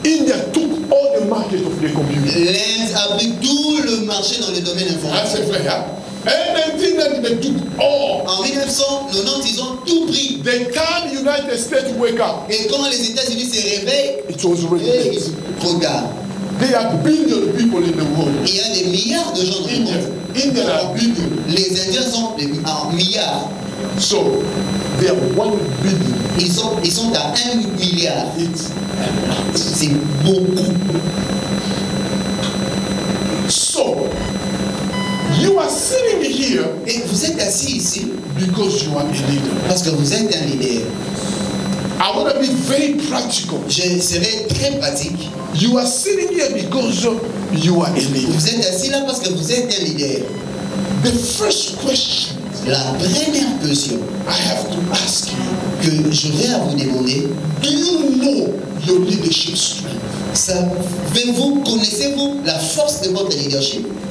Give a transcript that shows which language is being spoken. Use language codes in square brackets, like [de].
[en] India took all the market of the computer. [fr] L'Inde a pris tout le marché dans le domaine informatique. [en] That's right, yeah. And 1990, they took all. [fr] En 1990, ils ont tout pris. [en] The time United States wake up. [fr] Et quand les États-Unis se réveillent, [en] it was really [fr] trop tard. [en] There are billions of people in the world. [fr] Il y a des milliards de gens dans le monde. [en] India are billions. [fr] Les Indiens sont en milliards. [en] So, they are 1 billion. [fr] Ils sont à 1 milliard. [en] It's a lot. [fr] C'est beaucoup. [en] So, you are sitting here. [fr] Et vous êtes assis ici. [en] Because you are a leader. [fr] Parce que vous êtes un leader. [en] I want to be very practical. [fr] Je serai très pratique. [en] You are sitting here because you are a leader. [fr] Vous êtes assis là parce que vous êtes un leader. [en] The first question. [fr] La première question [en] I have to ask you, [fr] que je vais à vous demander, [en] do you know your leadership strength? [fr] Savez-vous, connaissez-vous la force de votre leadership?